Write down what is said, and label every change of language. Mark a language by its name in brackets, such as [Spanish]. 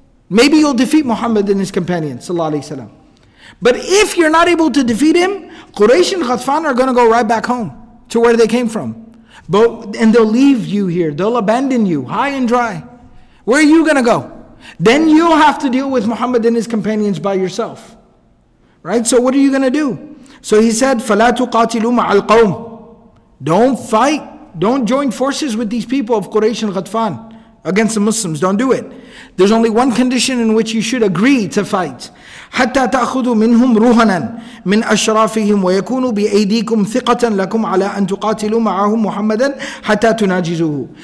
[English] Maybe you'll defeat Muhammad and his companions, sallallahu alayhi wa sallam. But if you're not able to defeat him, Quraysh and Ghatfan are going to go right back home to where they came from. And they'll leave you here. They'll abandon you high and dry. Where are you going to go? Then you'll have to deal with Muhammad and his companions by yourself. Right? So what are you going to do? [Arabic] So he said, فَلَا تُقَاتِلُوا مَعَ الْقَوْمِ. [English] Don't fight. Don't join forces with these people of Quraysh and Ghatfan against the Muslims. Don't do it. There's only one condition in which you should agree to fight. [Arabic] حَتَّى تَأْخُذُوا مِنْهُمْ رُوحَنًا مِنْ أَشْرَافِهِمْ وَيَكُونُوا بِأَيْدِيكُمْ ثِقَةً لَكُمْ عَلَىٰ أَن تُقَاتِلُوا مَعَهُمْ مُحَمَّدًا حَتَّى تُنَاجِزُوهُ.